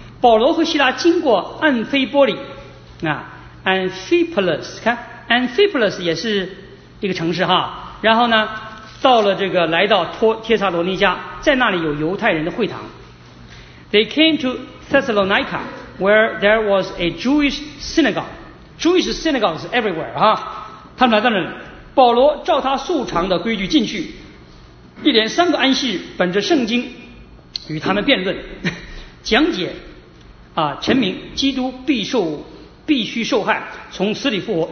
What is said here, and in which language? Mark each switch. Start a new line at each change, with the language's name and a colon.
Chinese: 保罗和希拉经过安菲波里啊 ，Amphipolis， 看 Amphipolis 也是一个城市哈。然后呢，到了这个来到帖撒罗尼迦，在那里有犹太人的会堂。
English: They came to Thessalonica。 Where there was a Jewish synagogue. Jewish synagogues everywhere.
Chinese: 啊，他们来到那里，保罗照他素常的规矩进去，一连三个安息日，本着圣经与他们辩论，讲解啊，陈明基督必须受害，从死里复活。